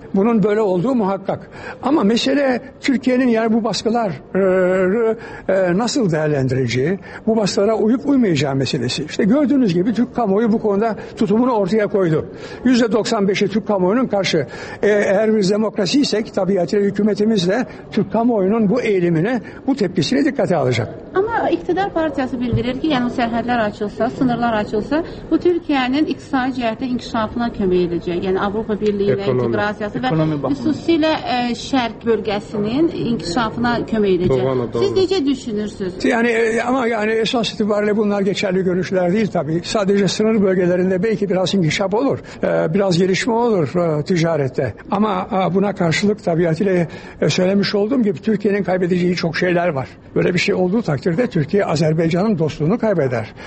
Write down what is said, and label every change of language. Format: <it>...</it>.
<tr>Bunun böyle olduğu muhakkak. Ama mesele Türkiye'nin yani bu baskıları nasıl değerlendireceği, bu baskılara uyup uymayacağı meselesi. İşte gördüğünüz gibi Türk kamuoyu bu konuda tutumunu ortaya koydu. %95'i Türk kamuoyunun karşı. Eğer biz demokrasi isek tabiatıyla hükümetimiz de Türk kamuoyunun bu eğilimini, bu tepkisini dikkate alacak.</tr> <az>Ama iktidar partisi bildirir ki yani sərhədlər açılsa,</az> <tr>sınırlar açılsa</tr> <az>bu Türkiye'nin iqtisadi cəhətdə inkişafına kömək edəcək.</az> <tr>Yani Avrupa Birliği ve</tr> <az>İntegrasiya xüsusilə şərq bölgəsinin inkişafına kömək edəcək. Siz necə düşünürsünüz?</az> <tr>Yani ama yani esas itibariyle bunlar geçerli görüşler değil tabii. Sadece sınır bölgelerinde belki biraz inkişaf olur. Biraz gelişme olur ticarette. Ama buna karşılık tabiatıyla söylemiş olduğum gibi Türkiye'nin kaybedeceği çok şeyler var. Böyle bir şey olduğu takdirde Türkiye Azerbaycan'ın dostluğunu kaybeder.</tr>